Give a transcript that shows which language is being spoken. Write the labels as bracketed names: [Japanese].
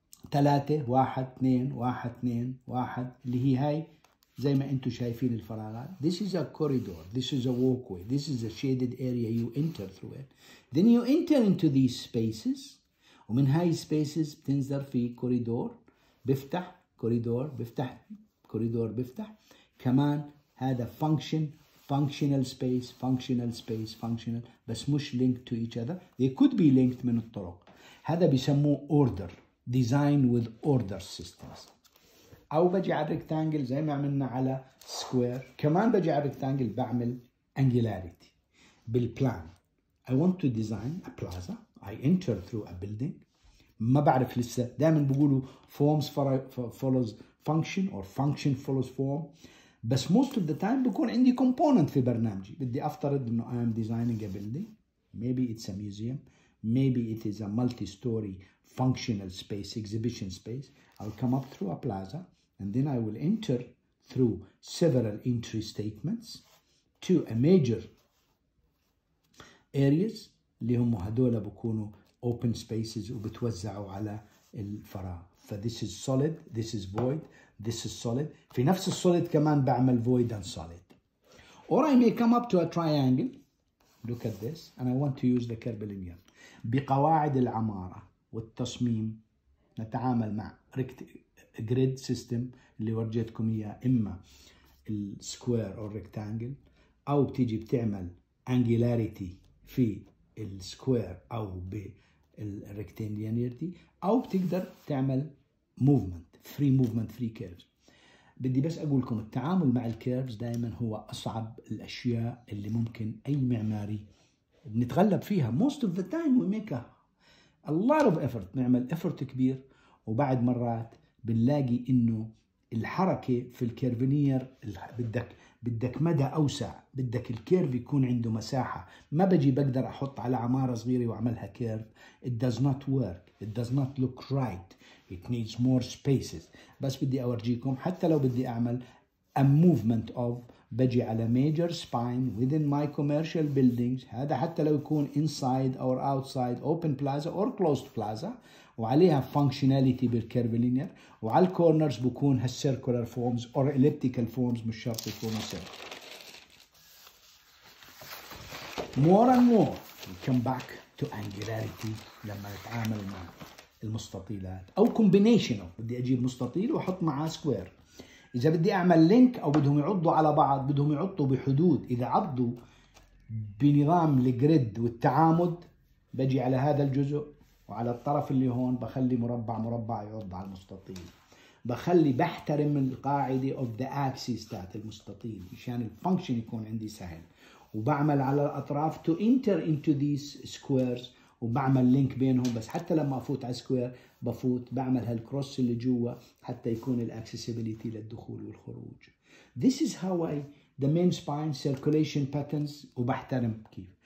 [Arabic] 3, 1, 2, 1, 2, 1, اللي هي هاي زي ما أنتوا شايفين الفراغات. [English] This is a corridor, this is a walkway, this is a shaded area you enter through it. Then you enter into these spaces, [Arabic] ومن هاي spaces بتنزل في corridor, بيفتح كوريدور, بيفتح كوريدور, بيفتح كمان. [English] هذا function, functional space, functional space, functional, [Arabic] بس مش [English] linked to each other. They could be linked [Arabic] من الطرق. هذا بيسموه [English] order, design with order systems. [Arabic] أو بجي على rectangle زي ما عملنا على square, كمان بجي على rectangle بعمل angularity بالplan. [English] I want to design a plaza. I enter through a building. [Arabic] ما بعرف لسه, دائما بقولوا [English] forms follows function or function follows form, بس most of the time [Arabic] بكون عندي [English] component [Arabic] في برنامجي. بدي افترض انه [English] I am designing a building, maybe it's a museum, maybe it is a multi-story functional space, exhibition space. I'll come up through a plaza, and then I will enter through several entry statements to a major areas [Arabic] اللي هم هدول بكونوا [English] open spaces [Arabic] وبتوزعوا على الفراغ. [English] ف this is solid, this is void, this is solid. [Arabic] في نفس السوليد كمان بعمل [English] void and solid. Or I may come up to a triangle. Look at this. And I want to use the curvilinear. [Arabic] بقواعد العمارة والتصميم نتعامل مع grid system اللي ورجيتكم إياه، إما السكوير أو الريكتانجل، أو بتيجي بتعمل angularity في السكوير أو بالريكتانجلينيرتي، أو بتقدر تعمل [English] movement free curves. [Arabic] بدي بس أقولكم التعامل مع الكيرفز دائما هو أصعب الأشياء اللي ممكن أي معماري نتغلب فيها. [English] most of the time we make a lot of effort، [Arabic] نعمل effort كبير وبعد مرات بنلاقي إنه الحركة في الكيرفينير بدك مدى أوسع، بدك الكيرف يكون عنده مساحة، ما بجي بقدر أحط على عمارة صغيرة وعملها كيرف. [English] it does not work، it does not look right، it needs more spaces. [Arabic] بس بدي أورجيكم حتى لو بدي أعمل [English] a movement of، [Arabic] بجي على [English] major spine within my commercial buildings، [Arabic] هذا حتى لو يكون [English] inside or outside open plaza or closed plaza، [Arabic] وعليها [English] functionality بالcurvilinear، [Arabic] وعلى [English] corners بكون هالcircular forms or elliptical forms، [Arabic] مش شرط يكون [English] more and more. we come back to angularity [Arabic] لما نتعامل مع المستطيلات أو [English] combination of. [Arabic] بدي أجيب مستطيل وأحط معه square، إذا بدي أعمل لينك أو بدهم يعضوا على بعض، بدهم يعضوا بحدود. إذا عضوا بنظام الجريد والتعامد، بجي على هذا الجزء وعلى الطرف اللي هون بخلي مربع مربع يعض على المستطيل، بخلي بحترم القاعدة [English] of the axis [Arabic] تاعت المستطيل مشان الفانكشن يكون عندي سهل، وبعمل على الأطراف [English] to enter into these squares [Arabic] وبعمل لينك بينهم. بس حتى لما أفوت على سكوير بفوت بعمل هالكروس اللي جوا حتى يكون الاكسسيبيليتي للدخول والخروج. [English] This is how I the main spine circulation patterns، [Arabic] وبحترم كيف.